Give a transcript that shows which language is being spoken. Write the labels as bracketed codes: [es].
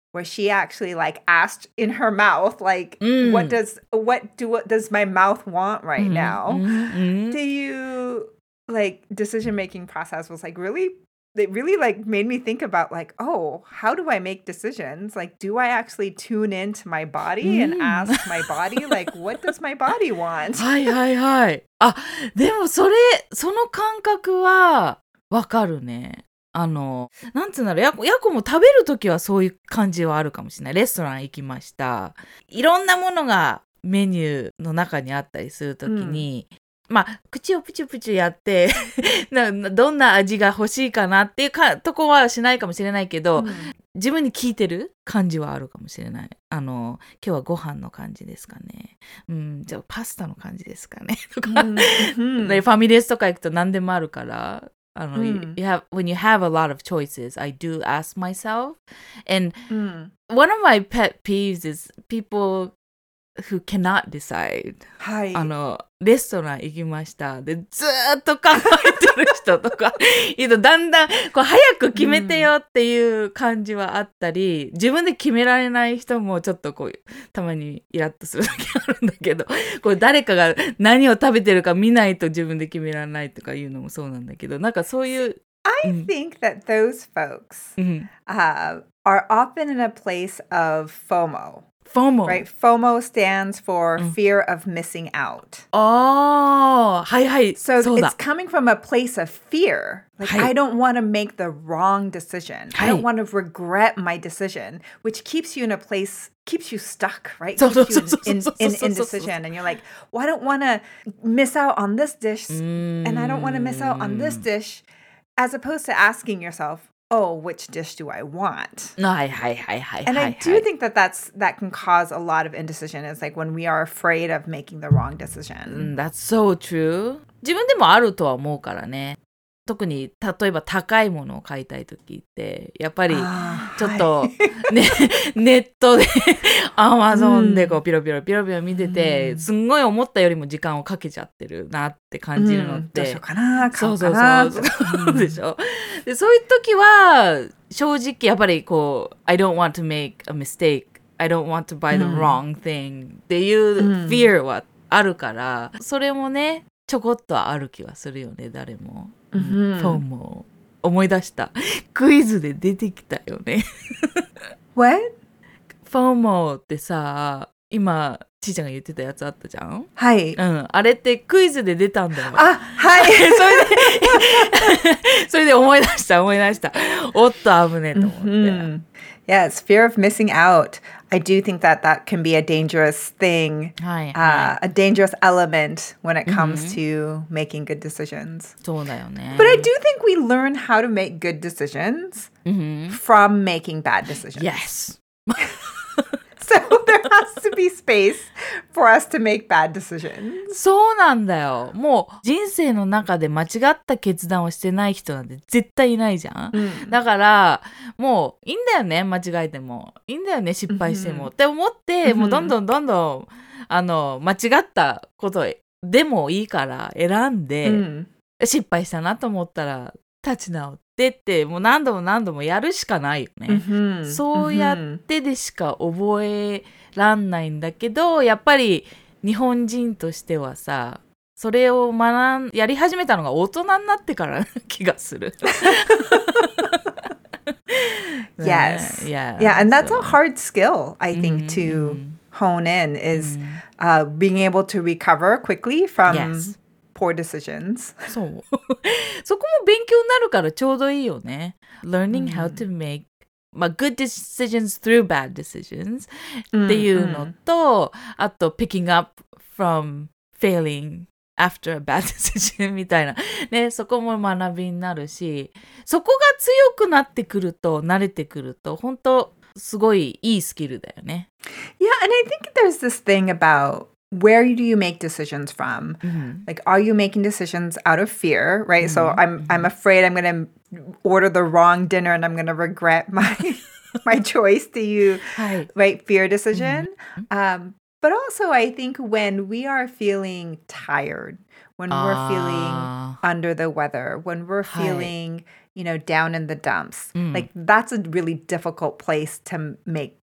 [en] Where she actually, like, asked in her mouth, like,、what does my mouth want right now? Do you, like, decision-making process was, like, really... It really like made me think about like, oh, how do I make decisions? Like, do I actually tune into my body and ask my body, like, what does my body want? [ja] はいはいはい。あ、でもそれ、その感覚はわかるね。あの、なんつうんだろう、やこも食べるときはそういう感じはあるかもしれない。レストラン行きました。いろんなものがメニューの中にあったりするときに、まあ、口をプチュプチュやってどんな味が欲しいかなっていうかとこはしないかもしれないけど、自分に聞いてる感じはあるかもしれない。あの、今日はご飯の感じですかね、じゃあパスタの感じですかねとか、でファミレスとか行くと何でもあるから、あの、 [en] When you have a lot of choices, I do ask myself. And one of my pet peeves is peopleWho cannot decide. [ja] はい。あの、レストラン行きました。で、ずーっと考えてる人とか、いうと、だんだん、こう、早く決めてよっていう感じはあったり、自分で決められない人も、ちょっとこう、たまにイラッとするだけあるんだけど、こう、誰かが何を食べてるか見ないと自分で決められないとかいうのもそうなんだけど、なんかそういう。 [en] I think that those folks, are often in a place of FOMO. FOMO. Right? FOMO stands for fear of missing out. Oh, hi, hi. So it's coming from a place of fear. Like,、I don't want to make the wrong decision.、I don't want to regret my decision, which keeps you in a place, keeps you stuck, right? Keeps you in indecision. And you're like, well, I don't want to miss out on this dish. And I don't want to miss out on this dish. As opposed to asking yourself,Oh, which dish do I want? And I do think that can cause a lot of indecision. It's like when we are afraid of making the wrong decision. That's so true. [ja] 自分でもあるとは思うからね。特に例えば高いものを買いたいときってやっぱりちょっと、ね、ネットでAmazonでこうピロピロピロピロ見てて、すんごい思ったよりも時間をかけちゃってるなって感じるのって、どうしようかな、買おうかな、でしょ。で、そういうときは正直やっぱりこう [en] I don't want to make a mistake, I don't want to buy the wrong thing [ja] っていう fear はあるから、それもねちょこっとある気はするよね、誰も。 FOMO. 思い出した。クイズで出てきたよね。 [en] What? [ja] FOMO ってさ、今ちーちゃんが言ってたやつあったじゃん。はい、うん、あれってクイズで出たんだよ。あ、はい。それでそれで思い出した、思い出した。おっと危ねえと思って、うん、 [en] Yes, fear of missing out. I do think that that can be a dangerous thing, a dangerous element when it comes to making good decisions. [ja] そうだよね。 [en] But I do think we learn how to make good decisions from making bad decisions. Yes. So there has to be space for us to make bad decisions. [ja] そうなんだよ。もう人生の中で間違った決断をしてない人なんて絶対いないじゃん。だからもういいんだよね、間違えても。いいんだよね、失敗しても。って思って、もうどんどんどんどん、あの、間違ったことでもいいから選んで、失敗したなと思ったら立ち直って。でって、もう何度も何度もやるしかないよね。そうやってでしか覚えらんないんだけど、やっぱり日本人としてはさ、それを学ん、やり始めたのが大人になってから気がする。 [en] Yes. Yeah. Yeah, and that's a hard skill, I think, to hone in, is being able to recover quickly from... Yes. Poor decisions. [ja] そう。そこも勉強になるからちょうどいいよね。 [en] Learning how to make good decisions through bad decisions [ja] っていうのと、あと [en] picking up from failing after a bad decision [ja] みたいな。ね、そこも学びになるし、そこが強くなってくると、慣れてくると、本当すごいいいスキルだよね。 [en] Yeah, and I think there's this thing aboutWhere do you make decisions from? Like, are you making decisions out of fear, right? So I'm afraid I'm going to order the wrong dinner and I'm going to regret my choice. Do you write fear decision? But also, I think when we are feeling tired, when we're feeling under the weather, when we're feeling, you know, down in the dumps, like, that's a really difficult place to make.